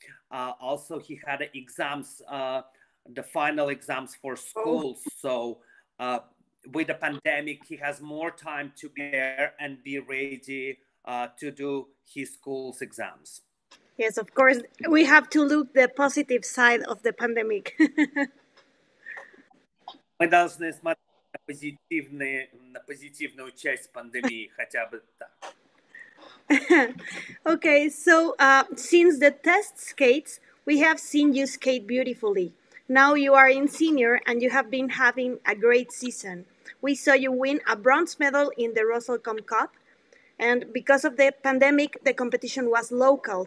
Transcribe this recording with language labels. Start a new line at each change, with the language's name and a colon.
English: Also he had exams, the final exams for school. Oh. So with the pandemic, he has more time to prepare and be ready to do his school's exams. Yes, of course. We have to look the positive side of the pandemic.
Russian: Мы должны смотреть на позитивную часть пандемии, хотя бы так.
English: Okay, so since the test skates, we have seen you skate beautifully. Now you are in senior and you have been having a great season. We saw you win a bronze medal in the Russellcom Cup. And because of the pandemic, the competition was local.